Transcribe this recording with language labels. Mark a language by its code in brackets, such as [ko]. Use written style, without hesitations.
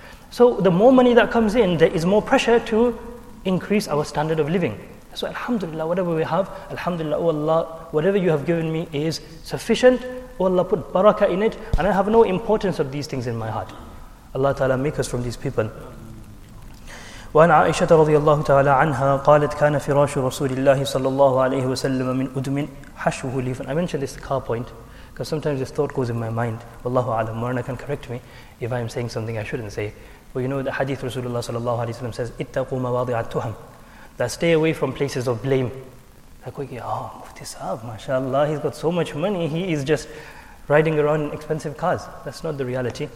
[en] So the more money that comes in, there is more pressure to increase our standard of living. So alhamdulillah, whatever we have, alhamdulillah, oh Allah, whatever you have given me is sufficient. Oh Allah, put barakah in it, and I have no importance of these things in my heart. Allah Ta'ala, make us from these people. [ar] وعن عائشة رضي الله تعالى عنها قالت كان فراش رسول الله صلى الله عليه وسلم من أدم حشوه ليفا. [en] I mentioned this car point because sometimes this thought goes in my mind. Wallahu a'lam, Marana can correct me if I'm saying something I shouldn't say. But you know the hadith Rasulullah صلى الله عليه وسلم says, [ar] اتقوا مواضيع التهم. [en] That stay away from places of blame. Like, we get, oh, Mufti Sahab, mashallah, he's got so much money, he is just riding around in expensive cars. That's not the reality.